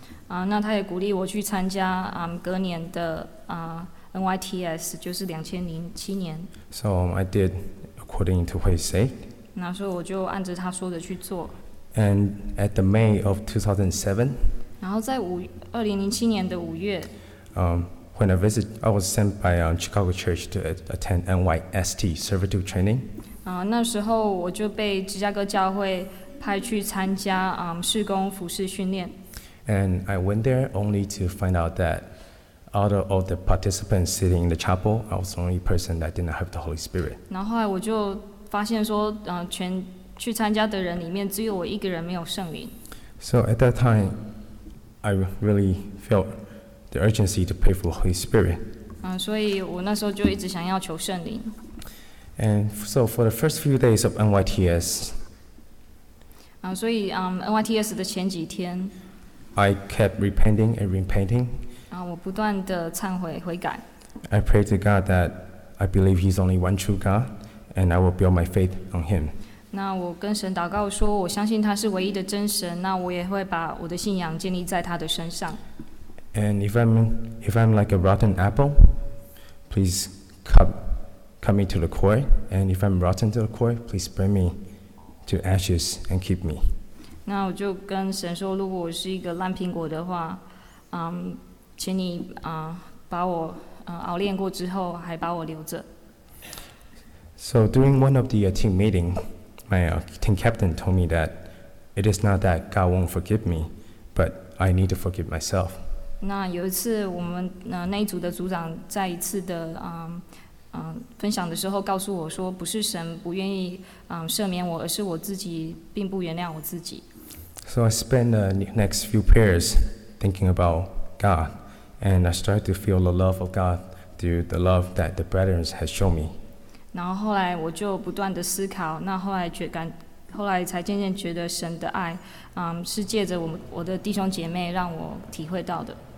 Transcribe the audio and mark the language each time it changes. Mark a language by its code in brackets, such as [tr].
[zh] 那他也鼓励我去参加隔年的NYTS, 就是2007年。 [en] So I did according to what he said. [zh] 那时候我就按着他说的去做。 [en] And at the May of 2007, [zh] 然后在2007年的五月 [en] when I was sent by Chicago Church to attend NYST servitude training. [zh] 那时候我就被芝加哥教会派去参加事工服事训练。 [en] And I went there only to find out that out of all the participants sitting in the chapel, I was the only person that did not have the Holy Spirit. [zh] 然后后来我就发现说，全去参加的人里面，只有我一个人没有圣灵。 [en] So at that time, I really felt the urgency to pray for the Holy Spirit. [zh] 所以我那时候就一直想要求圣灵。 [en] And so for the first few days of NYTS, [zh] 所以NYTS 的前几天 [en] I kept repenting and repenting. [zh] 我不断的忏悔悔改。 [en] I prayed to God that I believe He's only one true God, and I will build my faith on Him. [zh] 那我跟神祷告说，我相信他是唯一的真神，那我也会把我的信仰建立在他的身上。 [en] And if I'm like a rotten apple, please cut me to the core. And if I'm rotten to the core, please burn me to ashes and keep me. [zh] 那我就跟神说，如果我是一个烂苹果的话，请你把我熬炼过之后，还把我留着。 [en] So during one of the team meeting, my team captain told me that it is not that God won't forgive me, but I need to forgive myself. [zh] 那有一次我们那一组的组长再一次的分享的时候告诉我说，不是神不愿意赦免我，而是我自己并不原谅我自己。 [en] So I spent the next few prayers thinking about God, and I started to feel the love of God through the love that the brethren has shown me. [zh] 然后后来我就不断的思考，那后来才渐渐觉得神的爱，是借着我的弟兄姐妹让我体会到的。